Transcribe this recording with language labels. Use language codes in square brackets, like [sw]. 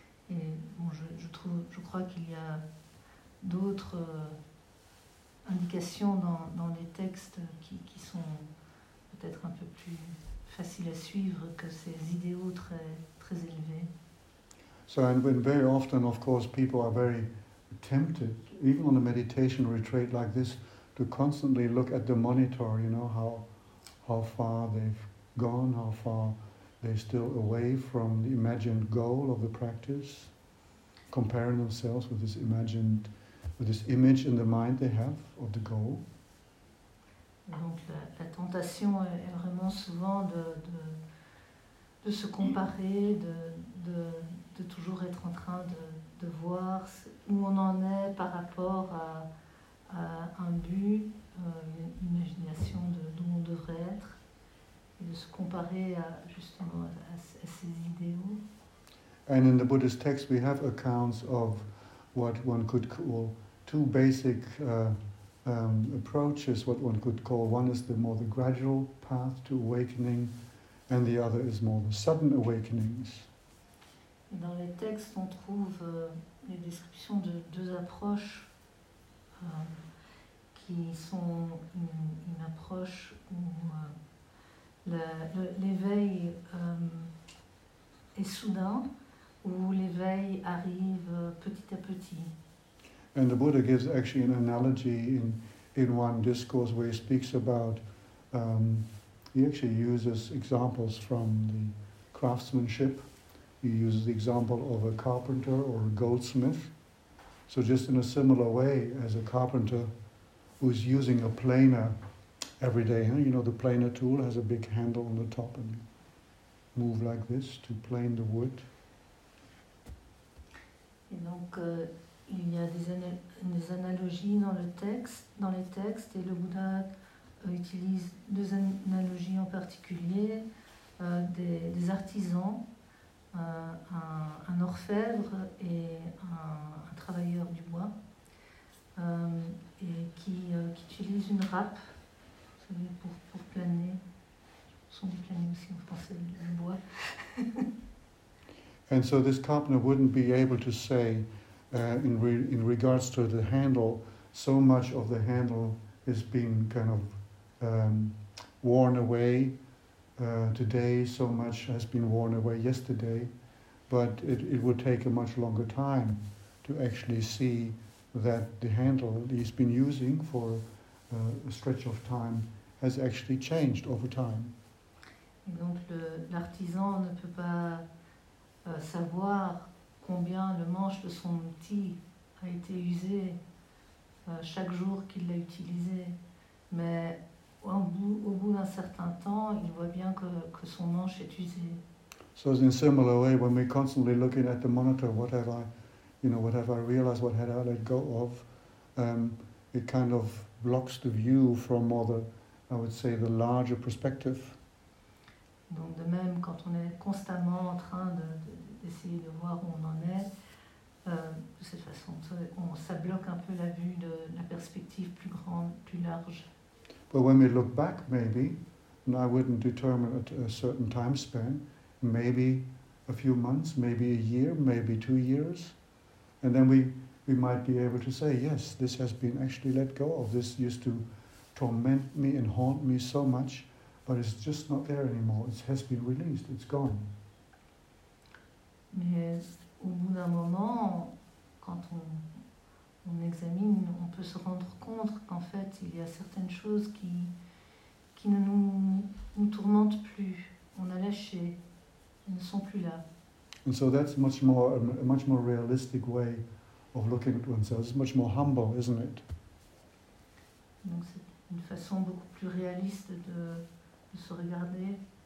[fr] Et bon, je crois qu'il y a d'autres indications dans les textes qui sont peut-être un peu plus faciles à suivre que ces idéaux très très élevés. [en] So and when very often, of course, people are very tempted, even on a meditation retreat like this, to constantly look at the monitor. You know how far they've gone, how far they're still away from the imagined goal of the practice. Comparing themselves with this imagined, with this image in the mind they have of the goal. [fr] Donc la tentation est vraiment souvent de se comparer, de toujours être en train de voir où on en est par rapport à un but, une imagination d'où on devrait être, et de se comparer à ces idéaux. [en] And in the Buddhist texts, we have accounts of what one could call two basic approaches, what one could call. One is the more the gradual path to awakening, and the other is more the sudden awakenings. [fr] Dans les textes, on trouve les descriptions de deux approches qui sont une approche où l'éveil est soudain, où l'éveil arrive petit à petit. [en] And the Buddha gives actually an analogy in one discourse where he speaks about, he actually uses examples from the craftsmanship. He uses the example of a carpenter or a goldsmith. So just in a similar way as a carpenter who's using a planer every day, you know, the planer tool has a big handle on the top and move like this to plane the wood. [fr] Et donc, il y a des analogies dans le texte, dans les textes, et le Bouddha utilise deux analogies en particulier, des artisans, un orfèvre et un travailleur du bois, et qui utilise une râpe, vous savez, pour planer. Son planer aussi, on pense au bois. [en] And so this carpenter wouldn't be able to say in regards to the handle, so much of the handle has been kind of worn away today, so much has been worn away yesterday, but it would take a much longer time to actually see that the handle he's been using for a stretch of time has actually changed over time. [fr] Et donc l'artisan ne peut pas savoir combien le manche de son outil a été usé chaque jour qu'il l'a utilisé, mais au bout d'un certain temps, il voit bien que son manche est usé. [en] So in a similar way, when we're constantly looking at the monitor, what have I realized, what had I let go of, it kind of blocks the view from more the, I would say, the larger perspective. [fr] Donc de même, quand on est constamment en train d'essayer de voir où on en est, de cette façon, ça bloque un peu la vue de la perspective plus grande, plus large. [en] But when we look back, maybe, and I wouldn't determine a certain time span, maybe a few months, maybe a year, maybe 2 years, and then we might be able to say, yes, this has been actually let go of. This used to torment me and haunt me so much, but it's just not there anymore. It has been released. It's gone. [fr] Mais au bout d'un moment, quand on examine, on peut se rendre compte qu'en fait, il y a certaines choses qui ne nous tourmentent plus. On a lâché. Elles ne sont plus là. [en] And so that's a much more realistic way of looking at oneself. It's much more humble, isn't it? [fr] Donc c'est une façon beaucoup plus réaliste de se regarder.